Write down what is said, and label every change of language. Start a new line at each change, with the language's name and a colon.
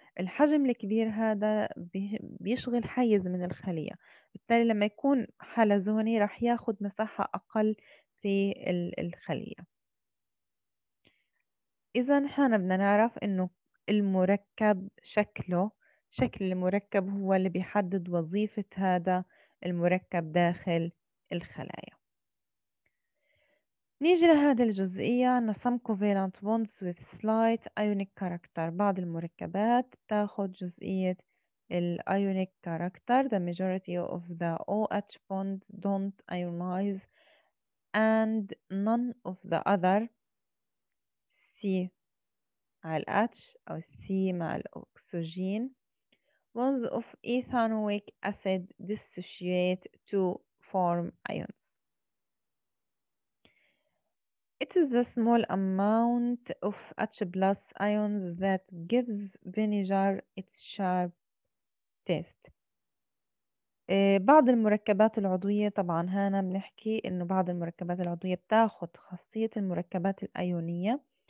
Arabic: الحجم الكبير هذا بيشغل حيز من الخلية، بالتالي لما يكون حلزوني راح ياخد مساحة أقل في الخلية. إذا إحنا بدنا نعرف إنه المركب شكله، شكل المركب هو اللي بيحدد وظيفة هذا المركب داخل الخلايا. نيجي لهذه الجزئية. نسم كوفالنت بوندز
English: with slight ionic character.
Arabic: بعض المركبات تأخذ جزئية ال ionic character.
English: The majority of the OH bonds don't ionize and none of the other C
Arabic: مع ال H أو C مع الأكسجين.
English: Bonds of ethanoic acid dissociate to form ions. It is the small amount of H plus ions that gives vinegar its sharp taste.
Arabic: بعض المركبات العضوية، طبعا هنا بنحكي انه بعض المركبات العضوية بتاخد خاصية المركبات الأيونية.